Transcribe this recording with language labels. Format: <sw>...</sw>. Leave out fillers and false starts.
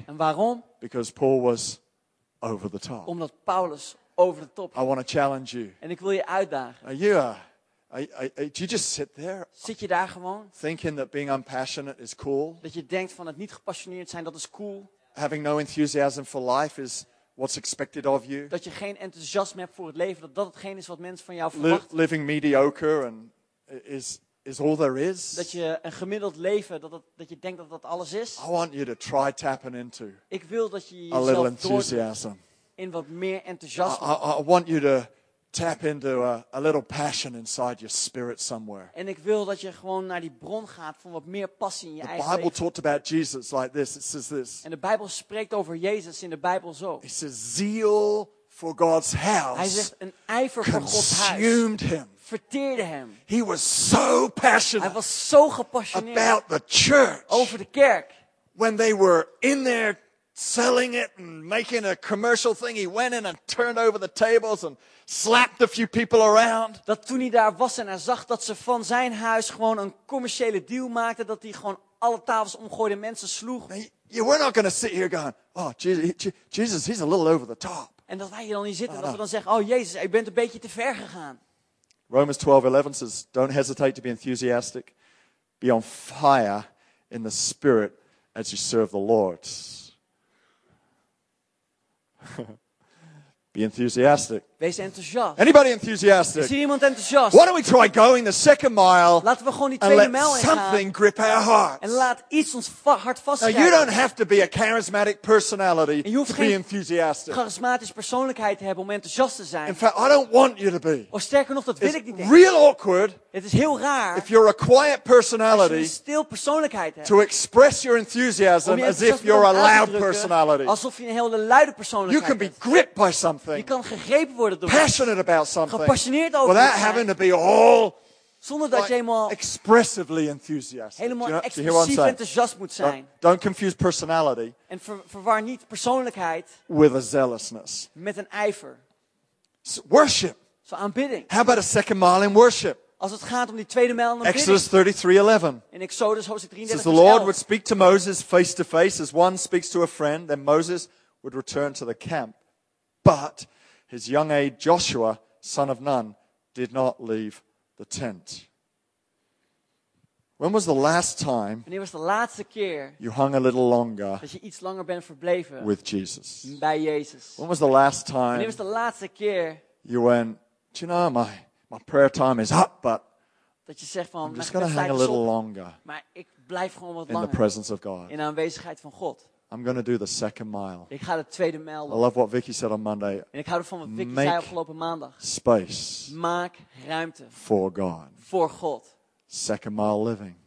<nl>En waarom?</nl> <en>Because Paul was over the top.</en> <nl>Omdat Paulus over de top.</nl> <en>I want to challenge you.</en> <nl>En ik wil je uitdagen.</nl> <en>Do you just sit there?</en> <nl>Zit je daar gewoon?</nl> <en>Thinking that being unpassionate is cool.</en> <nl>Dat je denkt van het niet gepassioneerd zijn dat is cool.</nl> <en>Having no enthusiasm for life is what's expected of you.</en> <nl>Dat je geen enthousiasme hebt voor het leven, dat hetgeen is wat mensen van jou verwachten.</nl> <en>Living mediocre and is all there is.</en> <nl>Dat je een gemiddeld leven, dat je denkt dat dat alles is.</nl> <en>I want you to try tapping into.</en> <nl>Ik wil dat je</nl> <en>a little enthusiasm.</en> <nl>In wat meer enthousiasme.</nl> <en>I want you to tap into a little passion inside your spirit somewhere.</en> <nl>En ik wil dat je gewoon naar die bron gaat van wat meer passie in je</nl> <en>the</en> <nl>eigen</nl> <en>Bible</en> <nl>leven.</nl> <en>Talked about Jesus like this. It says this.</en> <nl>En de Bijbel spreekt over Jezus in de Bijbel zo.</nl> <en>It says zeal for God's house.</en> <nl>Hij zegt een ijver voor Gods huis.</nl> <en>Consumed him.</en> <nl>Verteerde hem.</nl> <en>He was so passionate.</en> <nl>Hij was zo gepassioneerd.</nl> <en>About the church.</en> <nl>Over de kerk.</nl> <en>When they were in there selling it and making a commercial thing, he went in and turned over the tables and slapped a few people around.</en> <nl>Dat toen hij daar was en hij zag dat ze van zijn huis gewoon een commerciële deal maakten, dat hij gewoon alle tafels omgooide, mensen sloeg.</nl> <en>You were not going to sit here going, oh Jesus, he's a little over the top.</en> <nl>En dat wij hier dan niet zitten, dat we dan zeggen, oh Jezus, je bent een beetje te ver gegaan.</nl> <en>Romans 12:11 says, don't hesitate to be enthusiastic. Be on fire in the spirit as you serve the Lord. Be enthusiastic.</en> <nl>Wees enthousiast.</nl> <en>Anybody enthusiastic?</en> <nl>Is hier iemand enthousiast?</nl> <en>Why don't we try going the second mile?</en> <nl>Laten we gewoon die tweede mijl ingaan.</nl> <en>Something grip our hearts.</en> <nl>En laat iets ons hart vastgrijpen.</nl> <en>Now you don't have to be a charismatic personality to be enthusiastic.</en> <nl>Je hoeft geen charismatische persoonlijkheid te hebben om enthousiast te zijn.</nl> <en>In fact, I don't want you to be.</en> <nl>Of sterker nog, dat wil ik niet.</nl> <en>It's real awkward.</en> <nl>Het is heel raar.</nl> <en>If you're a quiet personality,</en> <nl>als je een stil persoonlijkheid hebt,</nl> <en>to express your enthusiasm as if you're a loud personality.</en> <nl>Alsof je een hele luide persoonlijkheid.</nl> <en>You can be gripped by something.</en> <nl>Je kan gegrepen worden.</nl> <en>Passionate about something.</en> <nl>Gepassioneerd over</nl> <en>without having to be all</en> <nl>zonder dat je helemaal</nl> <en>expressively enthusiastic.</en> <nl>Helemaal expressief enthousiast moet zijn.</nl> <en>Don't confuse personality.</en> <nl>En verwar niet persoonlijkheid</nl> <en>with a zealousness.</en> <nl>Met een ijver.</nl> <en>Worship.</en> <nl>So aanbidding.</nl> <en>How about a second mile in worship?</en> <nl>Als het gaat om die tweede mijl in aanbidding.</nl> <en>Exodus 33:11.</en> <nl>In Exodus hoofdstuk 33.</nl> <en>The Lord would speak to Moses face to face as one speaks to a friend, then Moses would return to the camp. But his young aide Joshua, son of Nun, did not leave the tent. When was the last time?</en> <nl>Wanneer was de laatste keer?</nl> <en>You hung a little longer.</en> <nl>Dat je iets langer bent verbleven.</nl> <en>With Jesus.</en> <nl>Bij Jezus.</nl> <en>When was the last time?</en> <nl>Wanneer was de laatste keer?</nl> <en>You went, do you know, my prayer time is up, but.</en> <nl>Dat je zegt van,</nl> <en>I'm just gonna hang a little longer.</en> <nl>Maar ik blijf gewoon wat langer.</nl> <en>In the presence of God.</en> <nl>In de aanwezigheid van God.</nl> <en>I'm going to do the second mile.</en> <nl>Ik ga de tweede mijl doen.</nl> <en>I love what Vicky said on Monday.</en> <nl>En ik hou ervan wat Vicky zei afgelopen maandag.</nl> <en>Space.</en> <nl>Maak ruimte.</nl> <en>For God.</en> <nl>Voor God.</nl> <en>Second mile living.</en>